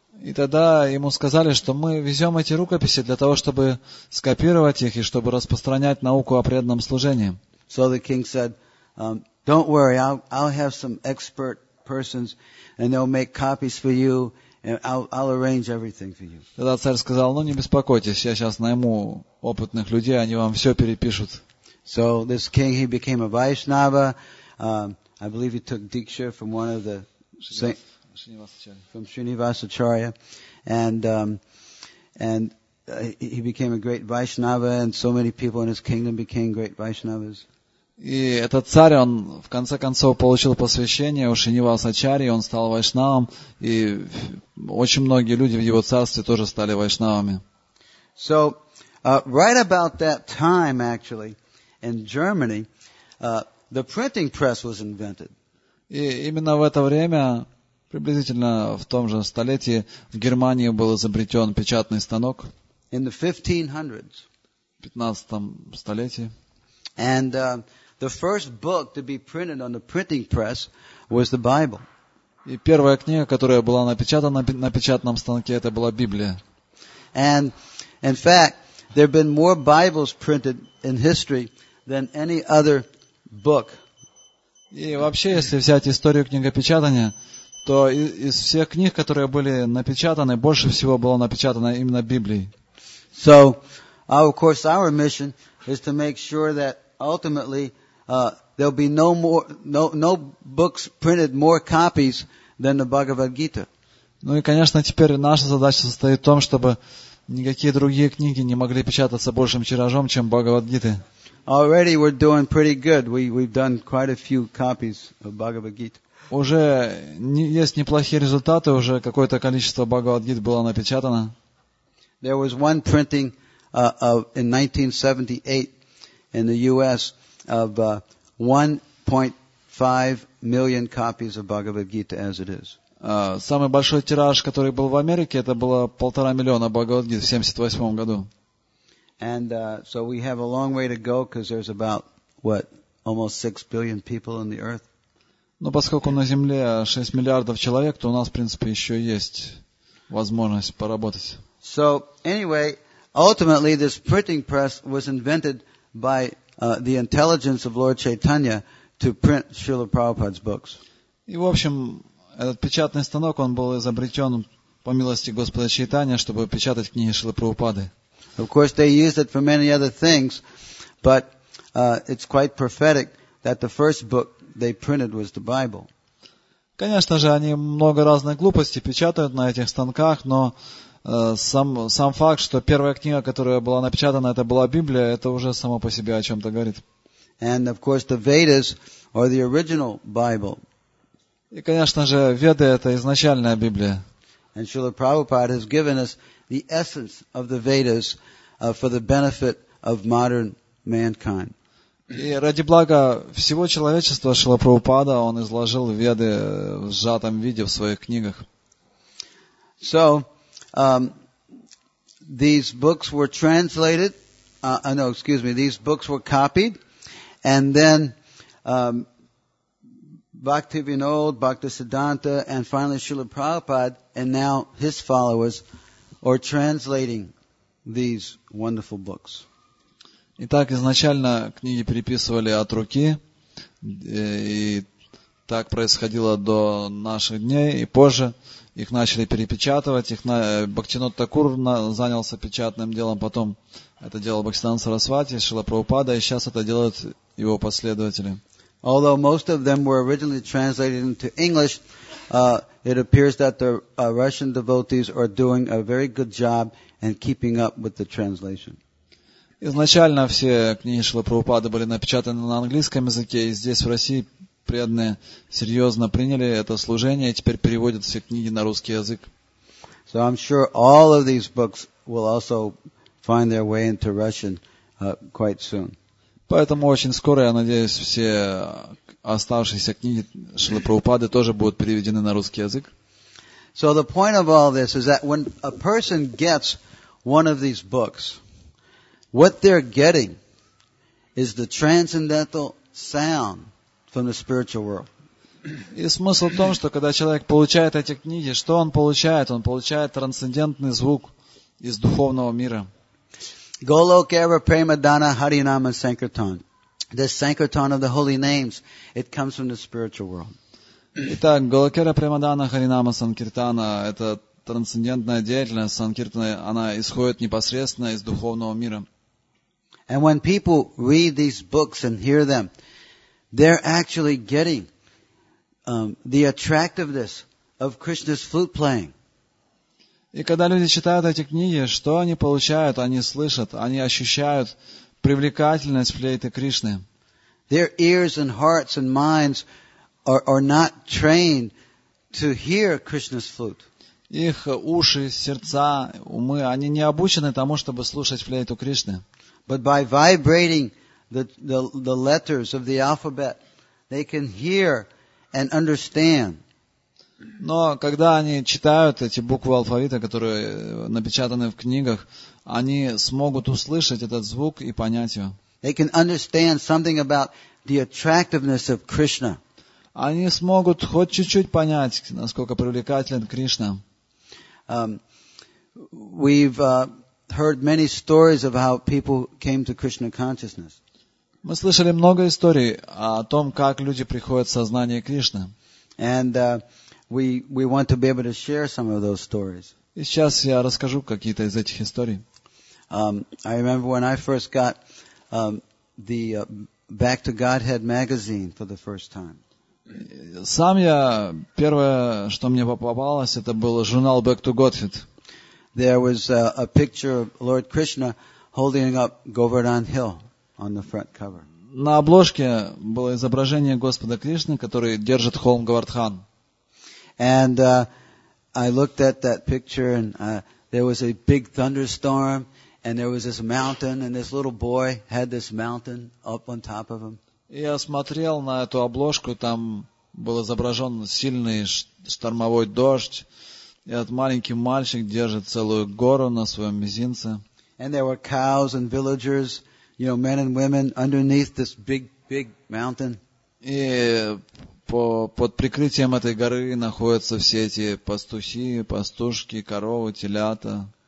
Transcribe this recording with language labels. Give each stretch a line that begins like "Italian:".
Russian: И тогда ему сказали, что мы везем эти рукописи для того, чтобы скопировать их и чтобы распространять науку о преданном служении.
English: So the king said, don't worry, I'll have some expert persons and they'll make copies for you and I'll arrange everything for you.
Russian: Тогда царь сказал, ну не беспокойтесь, я сейчас найму опытных людей, они вам все перепишут.
English: So this king, he became a Vaishnava. I believe he took Diksha from one of the Srinivasacharya. And he became a great Vaishnava, and so many people in his kingdom became great Vaishnavas.
Russian: И этот царь, он в конце концов получил посвящение у Шринивасачарьи, он стал Вайшнавом, и очень многие люди в его царстве тоже стали Вайшнавами.
English: So, right about that time, actually, in Germany, the printing press was invented.
Russian: И именно в это время, приблизительно в том же столетии, в Германии был изобретен печатный станок.
English: In the 1500s.
Russian: В 15-м столетии.
English: And the first book to be printed on the printing press was the Bible.
Russian: И первая книга, которая была напечатана на печатном станке, это была Библия.
English: And in fact, there have been more Bibles printed in history than any other book.
Russian: И вообще, если взять историю книгопечатания, то из всех книг, которые были напечатаны, больше всего было напечатано именно Библии.
English: So, of course, our mission is to make sure that ultimately there'll be no books printed more copies than the Bhagavad Gita.
Russian: Ну и, конечно, теперь наша задача состоит в том, чтобы никакие другие книги не могли печататься большим тиражом, чем Бхагавад Гита.
English: Already we're doing pretty good. We've done quite a few copies of Bhagavad Gita.
Russian: Уже есть неплохие результаты, уже какое-то количество Бхагавад Гит было напечатано.
English: There was one printing 1978 in the U.S. of 1.5 million copies of Bhagavad Gita as it is.
Russian: Самый большой тираж, который был в Америке, это было 1.5 миллиона Бхагавад Гиты в 1978 году.
English: And so we have a long way to go because there's about what almost 6 billion people on the earth.
Russian: Но поскольку на Земле 6 миллиардов человек, то у нас, в принципе, еще есть возможность поработать.
English: So anyway, ultimately this printing press was invented by the intelligence of Lord Chaitanya to print Srila Prabhupada's books.
Russian: И в общем, этот печатный станок, он был изобретен по милости Господа Чайтанья, чтобы печатать книги Шрилы Прабхупады.
English: Of course, they used it for many other things, but it's quite prophetic that the first book they printed was the Bible.
Russian: Конечно же, они много разных глупостей печатают на этих станках, но сам факт, что первая книга, которая была напечатана, это была Библия, это уже само по себе о чем-то говорит.
English: And of course, the Vedas are the original Bible.
Russian: И, конечно же, Веды — это изначальная Библия.
English: And Srila Prabhupada has given us the essence of the Vedas for the benefit of modern mankind.
Russian: И ради блага всего человечества Шрила Прабхупада он изложил Веды в сжатом виде в своих книгах.
English: So, these books were translated. These books were copied, and then Bhaktivinoda, Bhaktisiddhanta, and finally Srila Prabhupada, and now his followers, are translating these wonderful books.
Russian: Итак, изначально книги переписывали от руки, и так происходило до наших дней, и позже их начали перепечатывать. Бхактинода Такур занялся печатным делом, потом это делал Бхактисиддханта Сарасвати, Шрила Прабхупада, и сейчас это делают его последователи.
English: Although most of them were originally translated into English, it appears that the Russian devotees are doing a very good job in keeping up with the translation.
Russian: Изначально все книги Шрилы Прабхупады были напечатаны на английском языке, и здесь в России преданные серьезно приняли это служение и теперь переводят все книги на русский язык.
English: So I'm sure all of these books will also find their way into Russian quite soon.
Russian: Поэтому очень скоро, я надеюсь, все оставшиеся книги Шрилы Прабхупады тоже будут переведены на русский язык.
English: So the point of all this is that when a person gets one of these books, what they're getting is the transcendental sound from the spiritual world.
Russian: И смысл в том, что когда человек получает эти книги, что он получает? Он получает трансцендентный звук из духовного мира.
Bangla: Голок эра премадана харинама санкиртан.
English: The sankirtan of the holy names, it comes from the spiritual world.
Russian: Итак,
Bangla: голок эра премадана харинама санкиртана,
Russian: это трансцендентная деятельность санкиртана, она исходит непосредственно из духовного мира.
English: And when people read these books and hear them, they're actually getting the attractiveness of Krishna's flute playing.
Russian: И когда люди читают эти книги, что они получают? Они слышат, они ощущают привлекательность флейты Кришны.
English: Their ears and hearts and minds are not trained to hear Krishna's flute.
Russian: Их уши, сердца, умы, они не обучены тому, чтобы слушать флейту Кришны.
English: But by vibrating the letters of the alphabet, they can hear and understand.
Russian: Но когда они читают эти буквы алфавита, которые напечатаны в книгах, они смогут услышать этот звук и понять его.
English: They can understand something about the attractiveness of Krishna.
Russian: Они смогут хоть чуть-чуть понять, насколько привлекателен Кришна.
English: We've heard many stories of how people came to Krishna consciousness.
Russian: Мы слышали много историй о том, как люди приходят в сознание Кришны.
English: And we want to be able to share some of those stories.
Russian: И сейчас я расскажу какие-то из этих историй.
English: I remember when I first got the Back to Godhead magazine for the first time.
Russian: Сам я первое, что мне попалось, это был журнал Back to Godhead.
English: There was a picture of Lord Krishna holding up Govardhan Hill on the front cover.
Russian: На обложке было изображение Господа Кришны, который держит холм Говардхан.
English: And I looked at that picture, and there was a big thunderstorm, And there was this mountain, and this little boy had this mountain up on top of him.
Russian: Я смотрел на эту обложку, там был изображен сильный штормовой дождь, и этот маленький мальчик держит целую гору на своем мизинце.
English: And there were cows and villagers, you know, men and women underneath this big, big mountain.
Russian: И под прикрытием этой горы находятся все эти пастухи, пастушки, коровы, телята.